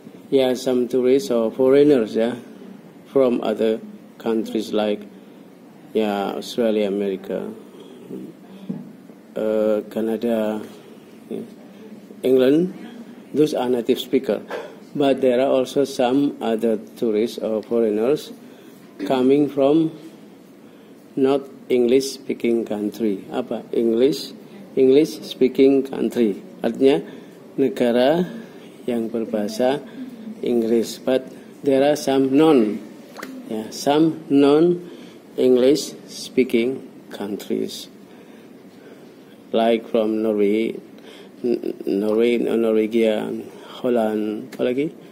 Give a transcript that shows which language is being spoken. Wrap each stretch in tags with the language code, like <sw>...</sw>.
<en>Yeah, some tourists or foreigners. Yeah. From other countries like, yeah, Australia, America, Canada, yeah, England, those are native speakers. But there are also some other tourists or foreigners coming from not English-speaking country.</en> <id>Apa?</id> <en>English-speaking country.</en> <id>Artinya negara yang berbahasa Inggris.</id> <en>But there are some non-English speaking countries, like from Norway, Norwegian, Holland, what lagi?</en>